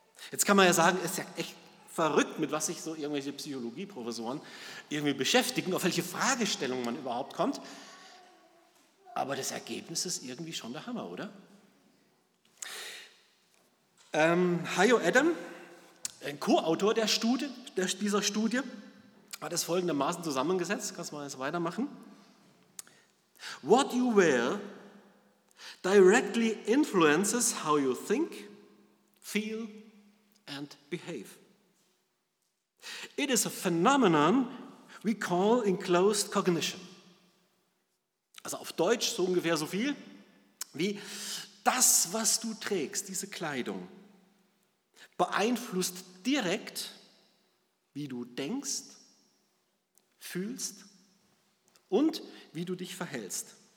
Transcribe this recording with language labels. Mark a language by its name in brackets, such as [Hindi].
[German] Jetzt kann man ja sagen, es ist ja echt verrückt, mit was sich so irgendwelche Psychologieprofessoren irgendwie beschäftigen, auf welche Fragestellungen man überhaupt kommt. Aber das Ergebnis ist irgendwie schon der Hammer, oder? Hayo Adam, ein Co-Autor dieser Studie, hat es folgendermaßen zusammengesetzt. Kannst du mal jetzt weitermachen? [English] What you wear directly influences how you think, feel and behave. It is a phenomenon we call enclosed cognition. [German] Also auf Deutsch so ungefähr so viel wie: Das, was du trägst, diese Kleidung, beeinflusst direkt, wie du denkst, fühlst und wie du dich verhältst.